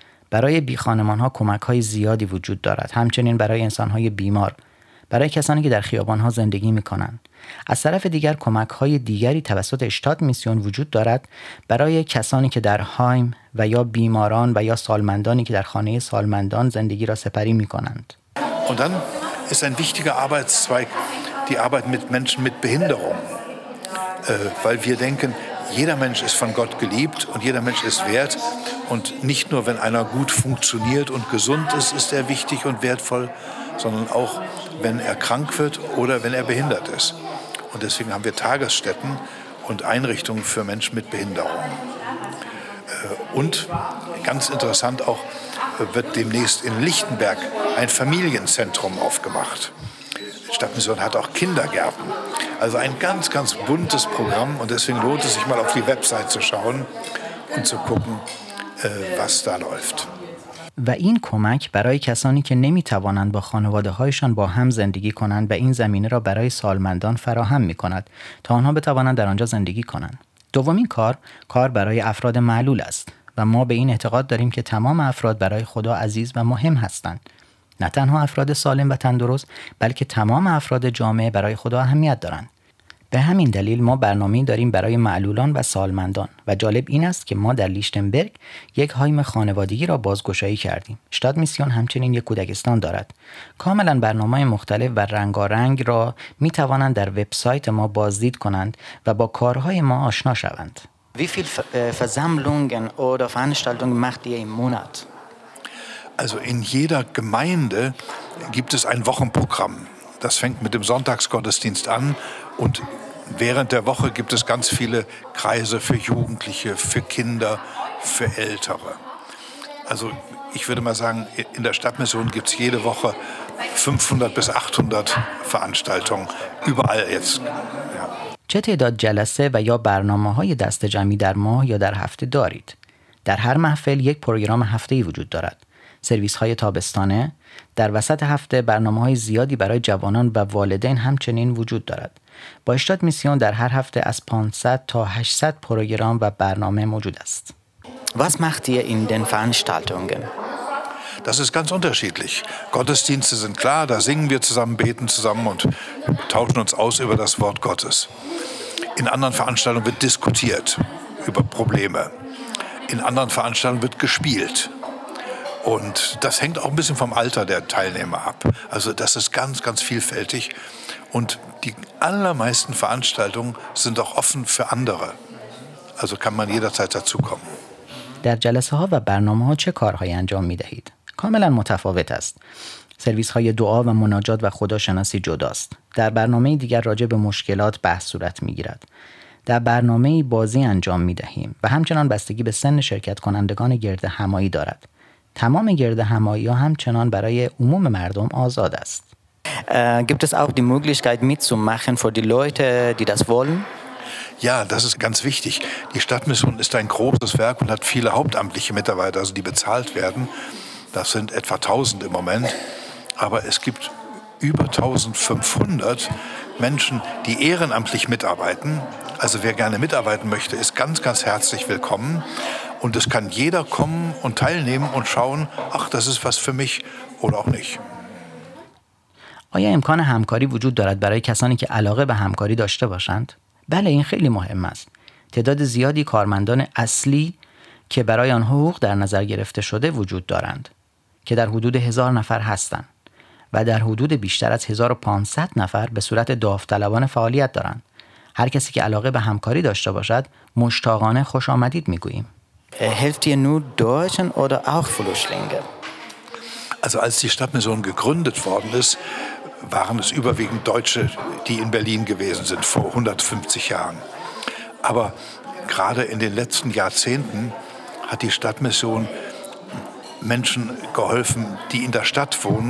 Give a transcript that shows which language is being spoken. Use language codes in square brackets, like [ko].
[fa] برای بی خانمان ها کمک های زیادی وجود دارد، همچنین برای انسان های بیمار، برای کسانی که در خیابان ها زندگی می کنند. از طرف دیگر کمک های دیگری توسط شتات میسیون وجود دارد برای کسانی که در هایم و یا بیماران و یا سالمندانی که در خانه سالمندان زندگی را سپری می کنند. و [de] dann ist ein wichtiger Arbeitszweig die Arbeit mit Menschen mit Behinderung. Weil wir denken, jeder Mensch ist von Gott geliebt und jeder Mensch ist wert. Und nicht nur, wenn einer gut funktioniert und gesund ist, ist er wichtig und wertvoll, sondern auch, wenn er krank wird oder wenn er behindert ist. Und deswegen haben wir Tagesstätten und Einrichtungen für Menschen mit Behinderung. Und ganz interessant auch, wird demnächst in Lichtenberg ein Familienzentrum aufgemacht. Die Stadtmission hat auch Kindergärten. Also ein ganz, ganz buntes Programm. Und deswegen lohnt es sich mal auf die Website zu schauen und zu gucken, was da läuft. [fa] و این کمک برای کسانی که نمی توانند با خانواده هایشان با هم زندگی کنند به این زمینه را برای سالمندان فراهم می کند تا آنها بتوانند در آنجا زندگی کنند. دومین کار برای افراد معلول است و ما به این اعتقاد داریم که تمام افراد برای خدا عزیز و مهم هستند. نه تنها افراد سالم و تندرست بلکه تمام افراد جامعه برای خدا اهمیت دارند. به همین دلیل ما برنامه‌ای داریم برای معلولان و سالمندان و جالب این است که ما در لیشتنبرگ یک هایم خانوادگی را بازگشایی کردیم. شتات میسیون همچنین یک کودکستان دارد. کاملا برنامه‌های مختلف و رنگارنگ را می توانند در وبسایت ما بازدید کنند و با کارهای ما آشنا شوند. [de] Wie viel Versammlungen oder Veranstaltungen macht ihr im Monat? Also in jeder Gemeinde gibt es ein Wochenprogramm. Das fängt mit dem Sonntagsgottesdienst an und während der Woche gibt es ganz viele Kreise für Jugendliche, für Kinder, für Ältere. Also ich würde mal sagen, in der Stadtmission gibt es jede Woche 500 bis 800 Veranstaltungen, überall jetzt. [fa] چه تعداد جلسه و یا برنامه‌های دسته‌جمعی در ماه یا در هفته دارید؟ در هر محفل یک پروگرام هفته‌ای وجود دارد. سرویس‌های تابستانه، در وسط هفته برنامه‌های زیادی برای جوانان و والدین همچنین وجود دارد. با شتات میسیون در هر هفته از 500 تا 800 پروگرام و برنامه موجود است. [de] Was macht ihr in den Veranstaltungen? Das ist ganz unterschiedlich. Gottesdienste sind klar, da singen wir zusammen, beten zusammen und tauschen uns aus über das Wort Gottes. In anderen Veranstaltungen wird diskutiert über Probleme. In anderen Veranstaltungen wird gespielt. Und das hängt auch ein bisschen vom Alter der Teilnehmer ab. Also das ist ganz, ganz vielfältig. Und die allermeisten Veranstaltungen sind auch offen für andere. Also kann man jederzeit dazukommen. [fa] در جلسه ها و برنامه ها چه کارهایی انجام می دهید؟ کاملا متفاوت است. سرویس های دعا و مناجات و خداشناسی جداست. در برنامه دیگر راجع به مشکلات بحث صورت می گیرد. در برنامه بازی انجام می دهیم و همچنان بستگی به سن شرکت کنندگان گرد همایی دارد. تمام گرد همایی ها همچنان برای عموم مردم آزاد است. [de] Gibt es auch die Möglichkeit mitzumachen für die Leute, die das wollen? Ja, das ist ganz wichtig. Die Stadtmission ist ein großes Werk und hat viele hauptamtliche Mitarbeiter, also die bezahlt werden. Das sind etwa 1000 im Moment. Aber es gibt über 1500 Menschen, die ehrenamtlich mitarbeiten. Also wer gerne mitarbeiten möchte, ist ganz, ganz herzlich willkommen. Und es kann jeder kommen und teilnehmen und schauen, ach, das ist was für mich oder auch nicht. [fa] آیا امکان همکاری وجود دارد برای کسانی که علاقه به همکاری داشته باشند؟ بله، این خیلی مهم است. تعداد زیادی کارمندان اصلی که برای آن حقوق در نظر گرفته شده وجود دارند که در حدود 1000 نفر هستند و در حدود بیشتر از 1500 نفر به صورت داوطلبان فعالیت دارند. هر کسی که علاقه به همکاری داشته باشد مشتاقانه خوش آمدید میگوییم. [de] Helft ihr nur Deutschen oder auch Flüchtlinge? Also als die Stadtmission gegründet worden ist, waren es überwiegend Deutsche, die in Berlin gewesen sind vor 150 Jahren. Aber gerade in den letzten Jahrzehnten hat die Stadtmission Menschen geholfen, die in der Stadt wohnen.